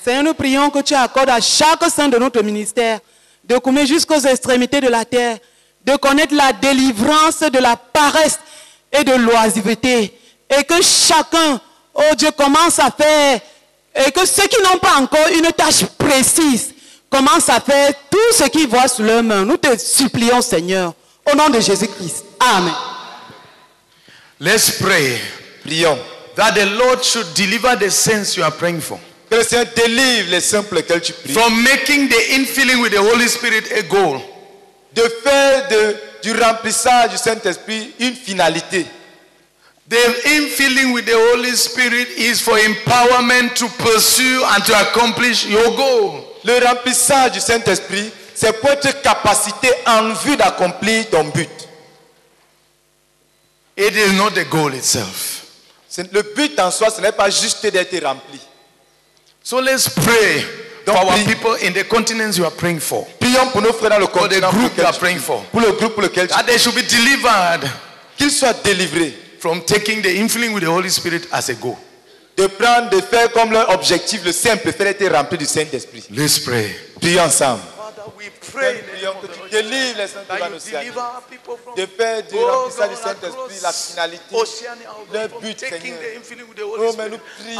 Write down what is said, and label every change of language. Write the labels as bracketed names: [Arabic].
[French] Seigneur, nous prions que tu accordes à chaque saint de notre ministère de coumer jusqu'aux extrémités de la terre, de connaître la délivrance de la paresse et de l'oisiveté. Et que chacun, oh Dieu, commence à faire, et que ceux qui n'ont pas encore une tâche précise commencent à faire tout ce qu'ils voient sous leurs mains. Nous te supplions, Seigneur, au nom de Jésus-Christ. Amen. [English] Let's pray. [French] Prions. [English] That the Lord should deliver the saints you are praying for. [French] Que le Seigneur délivre les saints pour lesquels tu pries. [English] From making the infilling with the Holy Spirit a goal. [French] De faire du remplissage du Saint-Esprit une finalité. [English] The infilling with the Holy Spirit is for empowerment to pursue and to accomplish your goal. [French] Le remplissage du Saint-Esprit, c'est pour être capacité en vue d'accomplir ton but. [English] It is not the goal itself. [French] Le but en soi, ce n'est pas juste d'être rempli. [English] So let's pray. Donc, for our people in the continents you are praying for. [French] Prions pour nos frères dans le continent. [English] For the group you are praying for. [French] Pour le groupe pour lequel tu [English] pries. That they should be delivered. [French] Qu'ils soient délivrés. [English] From taking the infilling with the Holy Spirit as a goal. [French] De prendre, de faire comme leur objectif, le simple, de faire être rempli du Saint-Esprit. [English] Let's pray. [French] Prions ensemble. [English] Father, we pray [French] que tu délivres les saints devant nos cieux. De faire du remplissage du Saint-Esprit la finalité. [English] Oceania, [French] leur but, Seigneur. Oh, mais nous prions